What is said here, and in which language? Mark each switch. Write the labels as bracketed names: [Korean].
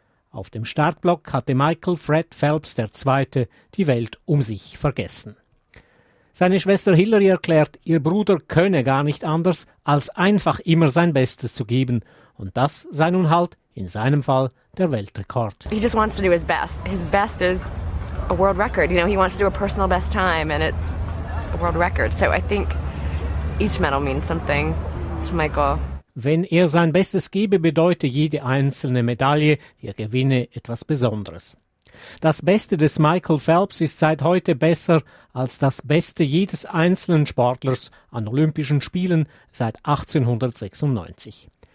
[German] Auf dem Startblock hatte Michael Fred Phelps II. Die Welt um sich vergessen. Seine Schwester Hillary erklärt, ihr Bruder könne gar nicht anders, als einfach immer sein Bestes zu geben. Und das sei nun halt, in seinem Fall, der Weltrekord. [English] He just wants to do his best. His best is a world record. You know, he wants to do a personal best time and it's a world record. So I think each medal means something to Michael. [German] Wenn er sein Bestes gebe, bedeute jede einzelne Medaille, die er gewinne, etwas Besonderes. Das Beste des Michael Phelps ist seit heute besser als das Beste jedes einzelnen Sportlers an Olympischen Spielen seit 1896.